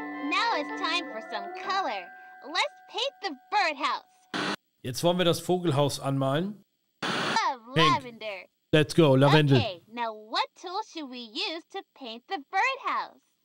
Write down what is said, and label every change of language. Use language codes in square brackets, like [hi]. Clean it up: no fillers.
[en] Now it's time for some color. Let's paint the birdhouse. [de] Jetzt wollen wir das Vogelhaus anmalen. [en] Lavender. Let's go, Lavendel. Okay, now what tool should we use to paint the birdhouse?